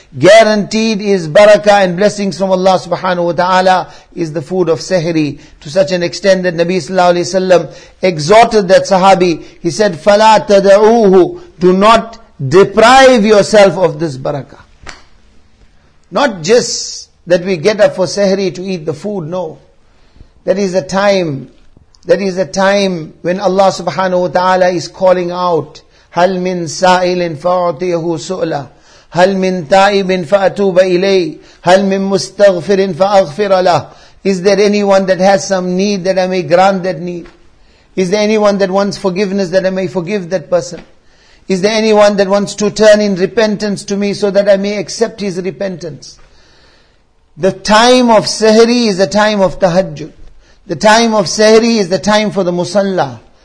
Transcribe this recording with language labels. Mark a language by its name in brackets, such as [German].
[English] Guaranteed is barakah and blessings from Allah subhanahu wa ta'ala is the food of sahri. To such an extent that Nabi sallallahu alayhi wa sallam exhorted that sahabi. He said, [Arabic] فَلَا تَدَعُوهُ, [English] do not deprive yourself of this barakah. Not just that we get up for sahri to eat the food, no. That is a time when Allah subhanahu wa ta'ala is calling out, [Arabic] هَلْ مِنْ سَائِلٍ فَأُعْطِيَهُ سُؤْلًا هَلْ مِنْ تَائِبٍ فَأَتُوبَ إِلَيْهِ هَلْ مِنْ مُسْتَغْفِرٍ فَأَغْفِرَ لَهُ. [English] Is there anyone that has some need that I may grant that need? Is there anyone that wants forgiveness that I may forgive that person? Is there anyone that wants to turn in repentance to me so that I may accept his repentance? The time of sahri is the time of tahajjud. The time of sahri is the time for the musalla.